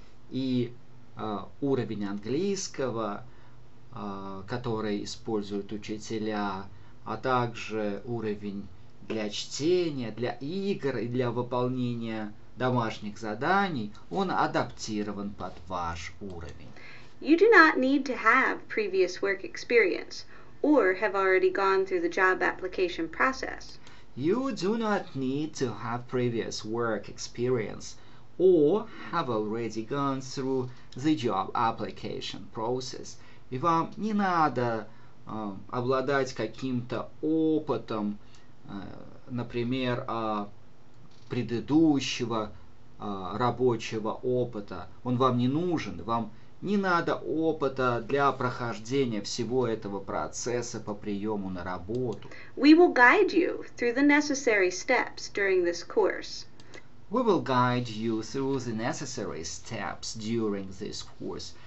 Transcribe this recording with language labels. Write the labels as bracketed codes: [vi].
[ru] И уровень английского, который используют учителя, а также уровень для чтения, для игр и для выполнения домашних заданий, он адаптирован под ваш уровень. [en] You do not need to have previous work experience or have already gone through the job application process. You do not need to have previous work experience or have already gone through the job application process. [ru] И вам не надо обладать каким-то опытом, например, предыдущего рабочего опыта. Он вам не нужен, вам не надо опыта для прохождения всего этого процесса по приему на работу. [en] We will guide you through the necessary steps during this course. We will guide you through the necessary steps during this course.